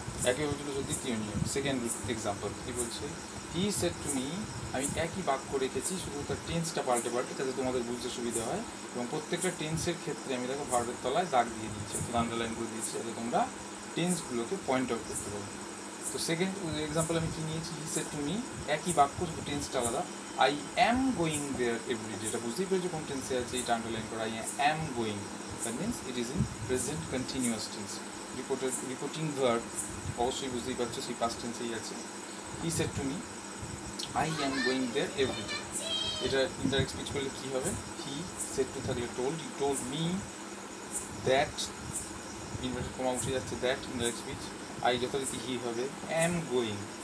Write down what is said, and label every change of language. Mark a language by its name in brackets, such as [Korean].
[Bangla] একইভাবে ছিল দ্বিতীয় নিয়ম, সেকেন্ড এক্সাম্পল কী বলছে, [English] he said to me, [Bangla] আমি একই বাক্য রেখেছি শুধু তার টেন্সটা পাল্টে যাতে তোমাদের বুঝতে সুবিধা হয়, এবং প্রত্যেকটা টেন্সের ক্ষেত্রে আমি দেখো ভার্বের তলায় দাগ দিয়ে দিয়েছি, আন্ডারলাইনগুলো দিয়েছি যাতে তোমরা টেন্সগুলোকে পয়েন্ট আউট করতে পারো। তো সেকেন্ড এক্সাম্পল আমি কী নিয়েছি, [English] he said to me, [Bangla] একই বাক্য শুধু টেন্সটা আলাদা, [English] I am going there every day, [Bangla] এটা বুঝতেই পেরেছি কোন টেন্সে আছে, এটা আন্ডারলাইন করা, [English] I am going, That means it is in present continuous tense. Reporting verb, [Bangla] অবশ্যই বুঝতেই পারছো সেই past tense এই আছে. [English] He said to me, I am going there every day. [Bangla] এটা ইনডাইরেক্ট স্পিচ করলে কী হবে? [English] He said to me, he told me that, [Bangla] inverted comma উঠে যাচ্ছে that, ইনডাইরেক্ট স্পিচ, I যথারীতি he হবে, [English] am going.